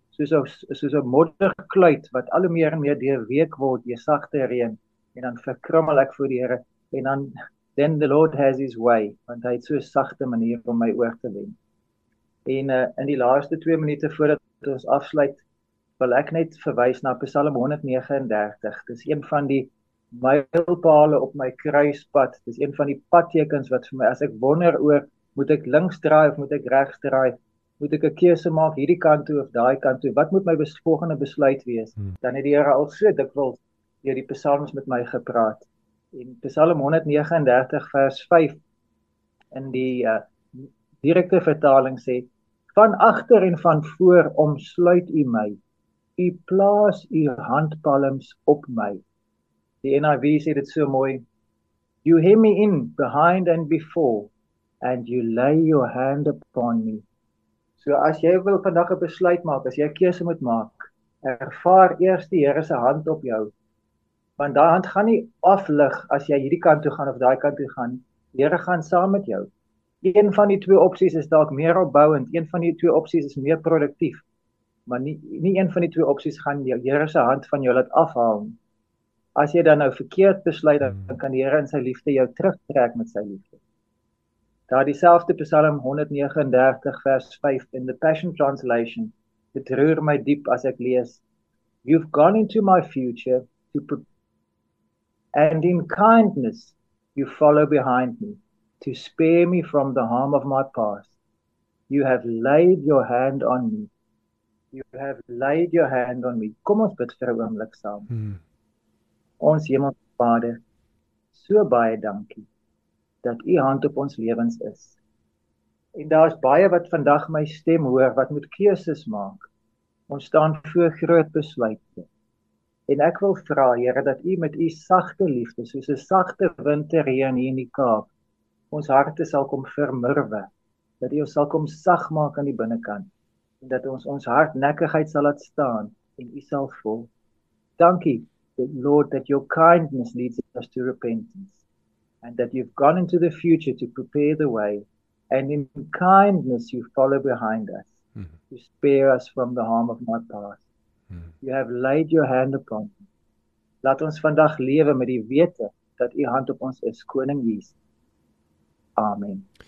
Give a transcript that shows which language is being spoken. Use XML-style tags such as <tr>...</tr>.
<af>Soos 'n modderkluit wat al hoe meer en meer deurweek word deur sagte reën en dan verkrummel ek voor die Here en dan</af> <en>then the Lord has his way</en> <af>want hy het so 'n sagte manier om my oor te wen. En in die laaste 2 minute voordat ons afsluit wil ek net verwys na Psalm 139. Dis een van die mylpale op my kruispad. Dis een van die padtekens wat vir my as ek wonder oor moet ek links draai of moet ek regs draai, moet ek 'n keuse maak hierdie kant toe of daai kant toe? Wat moet my volgende besluit wees? Dan het die Here al so dikwels deur die psalms met my gepraat. En Psalm 139 vers 5 in die direkte vertaling sê: "Van agter en van voor omsluit U my. U plaas U handpalms op my." Die NIV sê dit so mooi:</af> <en>"You hem me in behind and before, and you lay your hand upon me."</en> <af>So as jy wil vandag 'n besluit maak, as jy 'n keuse moet maak, ervaar eers die Here se hand op jou. Want daai hand gaan nie aflig as jy hierdie kant toe gaan of daai kant toe gaan. Die Here gaan saam met jou. Een van die twee opsies is dalk meer opbouend, een van die twee opsies is meer produktief. Maar nie een van die twee opsies gaan die Here se hand van jou laat afhaal nie. As jy dan nou verkeerd besluit, dan kan die Here in sy liefde jou terugtrek met sy liefde. Daar dieselfde Psalm 139 vers 5</af> <en>in the Passion Translation.</en> <af>Dit roer my diep as ek lees:</af> <en>"You've gone into my future to and in kindness you follow behind me to spare me from the harm of my past. You have laid your hand on me. You have laid your hand on me."</en> <af>Kom ons bid vir 'n oomblik saam. Ons Hemelse Vader, so baie dankie dat U hand op ons lewens is. En daar is baie wat vandag my stem hoor wat moet keuses maak. Ons staan voor groot besluite. En ek wil vra, Here, dat U met U sagte liefde, soos 'n sagte winterreën hier in die Kaap, ons harte sal kom vermurwe, dat U ons sal kom sag maak aan die binnekant, en dat ons hardnekkigheid sal laat staan en U sal vol.</af> <en>Dankie, Lord, that your kindness leads us to repentance, and that you've gone into the future to prepare the way, and in kindness you follow behind us to spare us from the harm of my past. You have laid your hand upon me.</en> <af>Laat ons vandag lewe met die wete dat U hand op ons is, Koning Jesus. Amen.</af>